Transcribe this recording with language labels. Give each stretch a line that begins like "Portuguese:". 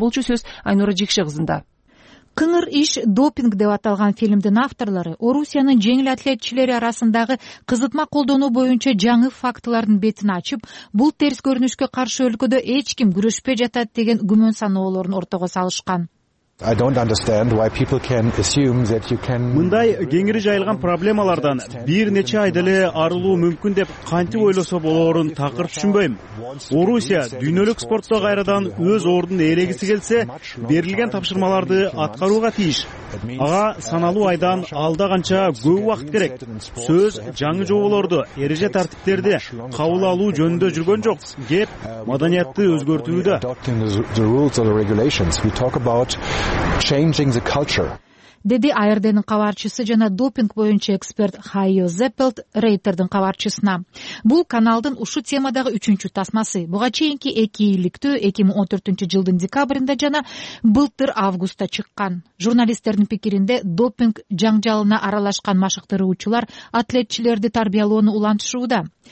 Kyrgyz: Болчу сөз Айнура Жекши кызында. Кыңыр иш допинг деп аталган фильмдин авторлору Орусиянын жеңил атлетчилери арасындагы кызытма колдонуу боюнча жаңы фактылардын бетин ачып, бул терс көрүнүшкө каршы өлкөдө эч ким күрөшпөй жатат деген күмөн саноолорун ортого салышкан.
English: I don't understand why people can assume that you can
Kyrgyz: Мындай кеңири жайылган проблемалардан бир нече айда эле арылуу мүмкүн деп кантип ойлосо болоорун такыр түшүнбөйм. Орусия дүйнөлүк спортто кайрадан өз ордун ээлегиси келсе, берилген тапшырмаларды аткарууга тийиш. Ага саналуу айдан алда канча көп убакыт керек. Сөз жаңы жоболорду, эреже тартиптерди кабыл алуу жөнүндө жүргөн жок. Кеп маданиятты өзгөртүүдө.
English: The rules and regulations we talk about changing the culture.
Kyrgyz: Деди АРДнын кабарчысы жана допинг боюнча эксперт Хайо Зеппелт Рейтердин кабарчысына. Бул каналдын ушу темадагы 3-чү тасмасы. Буга чейинки 2 ийликтүү 2014 жылдын декабрында жана былтыр августта чыккан. Журналисттердин пикиринде допинг жаңжалына аралашкан машыктыруучулар атлетчилерди тарбиялоону улантышууда.